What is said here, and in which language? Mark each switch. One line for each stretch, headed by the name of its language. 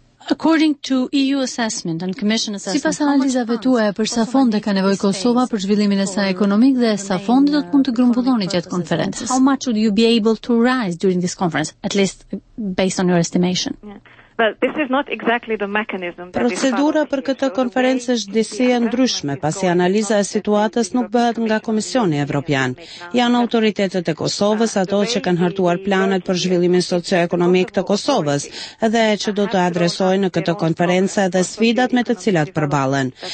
English: According to EU assessment and Commission assessment,
Albanian: sipas analizave tuaja për sa fonde ka nevojë Kosova për zhvillimin e saj ekonomik dhe sa fonde do të mund të grumbulloni gjatë konferencës?
English: How much would you be able to raise during this conference, at least based on your estimation? Well, this is not exactly the mechanism.
Albanian: Procedura për këtë konferencë është disi e ndryshme, pasi analiza e situatës nuk bëhet nga Komisioni Evropian. Janë autoritetet e Kosovës ato që kanë hartuar planet për zhvillimin socioekonomik të Kosovës, edhe që do të adresojnë në këtë konferencë dhe sfidat me të cilat përballen.